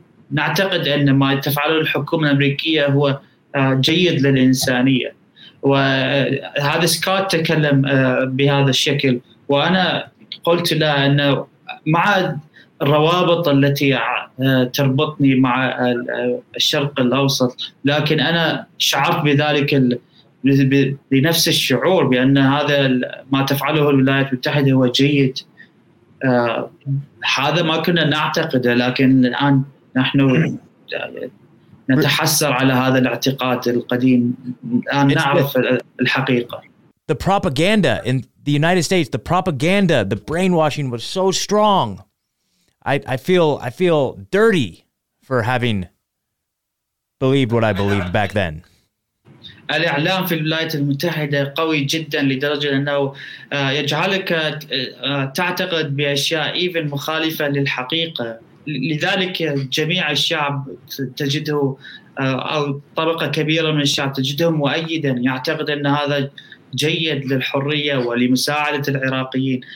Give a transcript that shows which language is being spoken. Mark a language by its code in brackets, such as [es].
[ar] نعتقد أن ما تفعله الحكومة الأمريكية هو جيد للإنسانية، وهذا سكوت تكلم بهذا الشكل، وأنا قلت له أن مع الروابط التي تربطني مع الشرق الأوسط، لكن أنا شعرت بذلك بنفس الشعور بأن هذا ما تفعله الولايات المتحدة هو جيد. هذا ما كنا نعتقده، لكن الآن نحن نتحسر على هذا الاعتقاد القديم. الآن نعرف الحقيقة. [en] The propaganda in the United States, the propaganda, the brainwashing was so strong. I feel dirty for having believed what I believed back then. [ar] الإعلام في الولايات المتحدة قوي جدا لدرجة أنه يجعلك تعتقد بأشياء [en] even [ar] مخالفة للحقيقة. لذلك جميع الشعب تجده أو طبقة كبيرة من الشعب تجده مؤيدا، يعتقد أن هذا جيد للحرية ولمساعدة العراقيين.